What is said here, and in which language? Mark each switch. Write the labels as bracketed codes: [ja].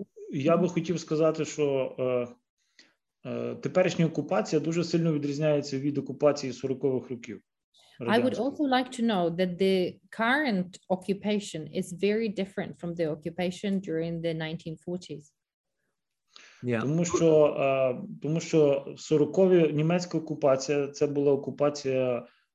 [uk] Я би хотів сказати, що теперішня окупація дуже сильно відрізняється від окупації 40-х років. [en] I would also like to know that the current occupation is very different from the occupation during the 1940s. Yeah. [uk] Тому що 40-ві німецька окупація це була окупація